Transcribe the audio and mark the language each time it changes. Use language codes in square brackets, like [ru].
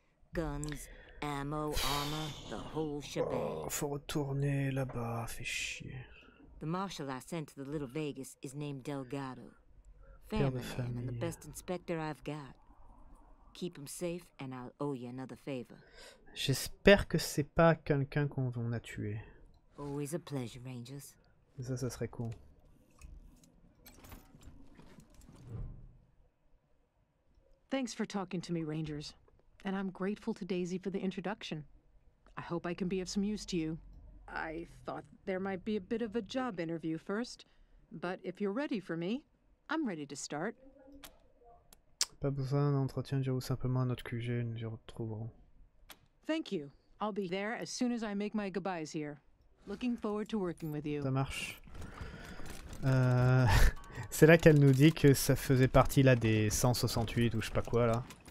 [en] Guns, ammo, armor, the whole shebang. [fr] Oh, faut retourner là-bas, fait chier. [en] The marshal I sent to the Little Vegas is named Delgado. Family man and the best inspector I've got. Keep him safe, and I'll owe you another favor. [fr] J'espère que c'est pas quelqu'un qu'on a tué. [en] Always a pleasure, Rangers. [fr] Ça serait cool. [en] Thanks for talking to me, Rangers. And I'm grateful to Daisy for the introduction. I hope I can be of some use to you. I thought there might be a bit of a job interview first. But if you're ready for me, I'm ready to start. [fr] Pas besoin d'entretien, j'ai simplement un autre QG et nous y retrouverons. [en] Thank you. I'll be there as soon as I make my goodbyes here. Looking forward to working with you. [fr] Ça marche. C'est là qu'elle nous dit que ça faisait partie là des 168 ou je sais pas quoi là.